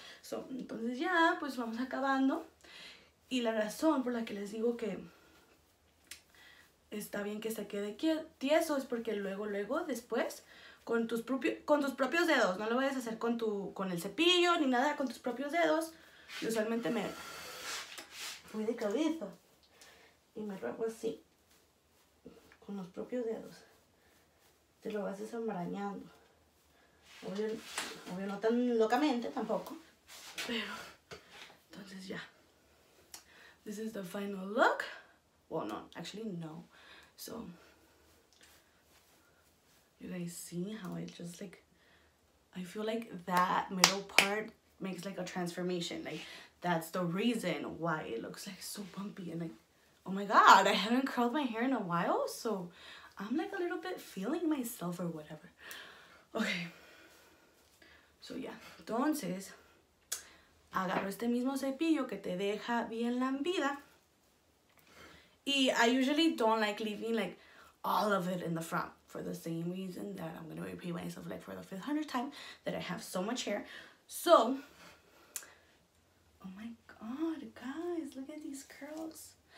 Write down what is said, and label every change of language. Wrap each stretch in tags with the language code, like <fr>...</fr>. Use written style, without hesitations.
<es>So, entonces ya, pues vamos acabando. Y la razón por la que les digo que está bien que se quede tieso es porque luego, después, con tus propios dedos, no lo vayas a hacer con el cepillo ni nada, con tus propios dedos, yo usualmente me voy de cabeza y me rapo así, con los propios dedos. Te lo vas desenmarañando. Obvio, no tan locamente tampoco, pero entonces ya.</es> <en>This is the final look. Well, no, actually, no. So, you guys see how it just, like, I feel like that middle part makes, like, a transformation. Like, that's the reason why it looks, like, so bumpy. And, like, oh, my God, I haven't curled my hair in a while. So, I'm, like, a little bit feeling myself or whatever. Okay. So, yeah.</en> <es>Entonces, agarro este mismo cepillo que te deja bien lambida.</es> <en>Y I usually don't like leaving like all of it in the front for the same reason that I'm gonna repeat myself like for the 500th time that I have so much hair. So, oh my God, guys, look at these curls.</en>